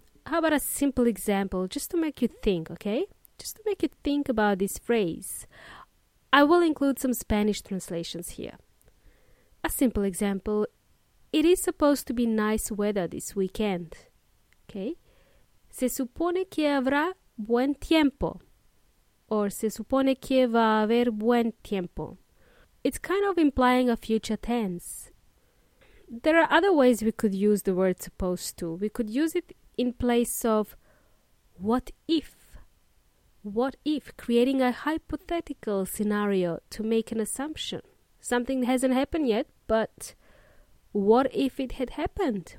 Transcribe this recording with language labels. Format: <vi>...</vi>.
<en>How about a simple example, just to make you think, okay? Just to make you think about this phrase. I will include some Spanish translations here. A simple example. It is supposed to be nice weather this weekend, okay?</en> <es>Se supone que habrá buen tiempo. Or se supone que va a haber buen tiempo.</es> <en>It's kind of implying a future tense. There are other ways we could use the word supposed to. We could use it in place of what if. What if, creating a hypothetical scenario to make an assumption. Something hasn't happened yet, but what if it had happened?</en>